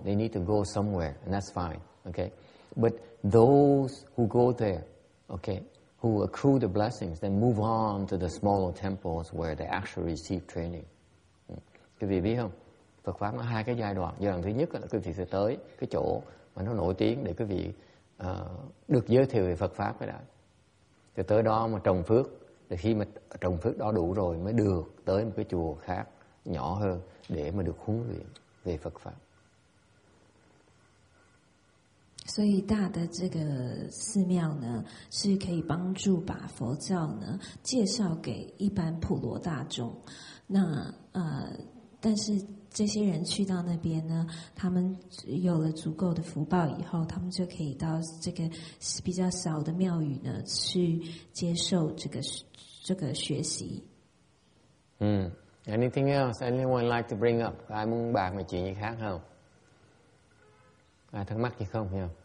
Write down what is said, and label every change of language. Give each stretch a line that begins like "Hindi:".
English: They need to go somewhere, and that's fine. Okay, but those who go there, okay, who accrue the blessings, then move on to the smaller temples where they actually receive training.
Vietnamese: Quý vị biết không? Phật pháp nó hai cái giai đoạn. Giai đoạn thứ nhất là quý vị sẽ tới cái chỗ mà nó nổi tiếng để quý vị được giới thiệu về Phật pháp cái đó. Rồi tới đó mà trồng phước. Rồi khi mà trồng phước đó đủ rồi mới được tới một cái chùa khác nhỏ hơn để mà được huấn luyện về Phật pháp.
Chinese: 所以大的这个寺庙呢，是可以帮助把佛教呢介绍给一般普罗大众。那但是这些人去到那边呢，他们有了足够的福报以后，他们就可以到这个比较小的庙宇呢去接受这个学习。
English: Anything else? Anyone like to bring up?
Vietnamese: Ai muốn bàn về chuyện gì khác không? Ai thắc mắc gì không nhỉ?